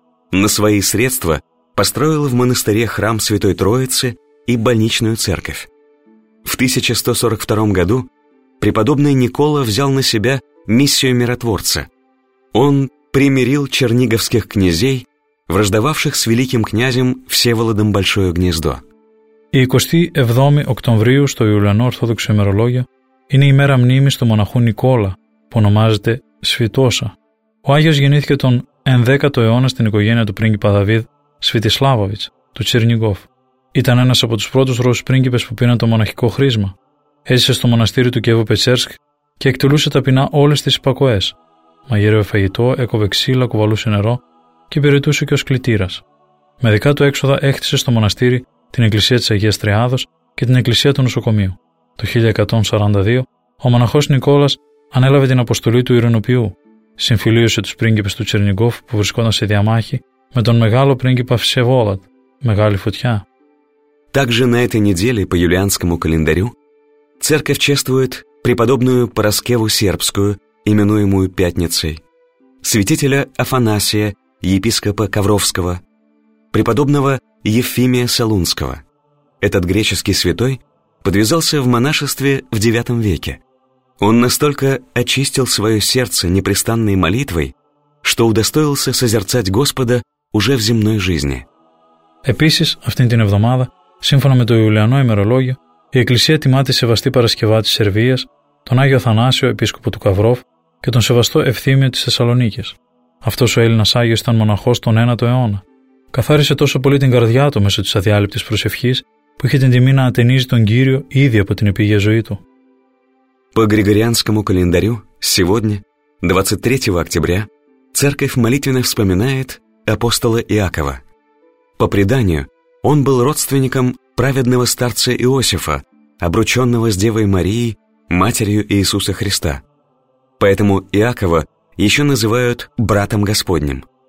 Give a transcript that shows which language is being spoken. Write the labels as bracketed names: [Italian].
[Russian] На свои средства построил в монастыре храм Святой Троицы и больничную церковь. В 1142 году преподобный Никола взял на себя миссию миротворца. Он примирил черниговских князей, враждовавших с великим князем Всеволодом Большое Гнездо. 27 октября, [Greek] στο Ιουλιανό Ορθόδοξο ημερολόγιο, είναι η μέρα μνήμης του μοναχού Νικόλα, που ονομάζεται Σφιτόσα. Ο Άγιος γεννήθηκε τον 11ο αιώνα στην οικογένεια του πρίγκιπα Δαβίδ Σφιτισλάβοβιτς, του Τσιρνιγκόφ. Ήταν ένας από τους πρώτους Ρώσους πρίγκιπες που πήραν το μοναχικό χρήσμα. Έζησε στο μοναστήρι του Κιέβου Πετσέρσκ και εκτελούσε ταπεινά όλες τις υπακοές. Μαγείρευε φαγητό, έκοβε ξύλα, κουβαλούσε νερό και υπηρετούσε και ως κλητήρας. Με δικά του έξοδα έκτισε στο μοναστήρι την Εκκλησία της Αγίας Τριάδος και την Εκκλησία του Νοσοκομείου. Το 1142 ο μοναχός Νικόλας ανέλαβε την αποστολή του Ειρηνοποιού. Συμφιλίωσε τους πρίγκιπες του Τσιρνιγκόφ που βρισκόταν σε διαμάχη με τον μεγάλο πρίγκιπα Φσεβόλατ, μεγάλη φωτιά. [Russian] Также на этой неделе по юлианскому календарю церковь чествует преподобную Параскеву Сербскую, именуемую Пятницей, святителя Афанасия, епископа Ковровского, преподобного Ефимия Солунского. Этот греческий святой подвязался в монашестве в IX веке. Он настолько очистил свое сердце непрестанной молитвой, что удостоился созерцать Господа уже в земной жизни. [Greek] Επίσης, αυτήν την εβδομάδα, σύμφωνα με το Ιουλιανό ημερολόγιο, η Εκκλησία τιμά τη Σεβαστή Παρασκευά της Σερβίας, τον Άγιο Αθανάσιο, επίσκοπο του Καβρόφ και τον Σεβαστό Ευθύμιο της Θεσσαλονίκης. Αυτός ο Έλληνας Άγιος ήταν μοναχός τον 9ο αιώνα. Καθάρισε τόσο πολύ την καρδιά του μέσω της αδιάλειπτης προσευχής που είχε την τιμή να ατενίζει τον Κύριο ήδη από την επίγεια ζωή του. [Russian] По Григорианскому календарю сегодня, 23 октября, церковь молитвенно вспоминает апостола Иакова. По преданию, он был родственником праведного старца Иосифа, обрученного с Девой Марией, Матерью Иисуса Христа. Поэтому Иакова еще называют «братом Господним».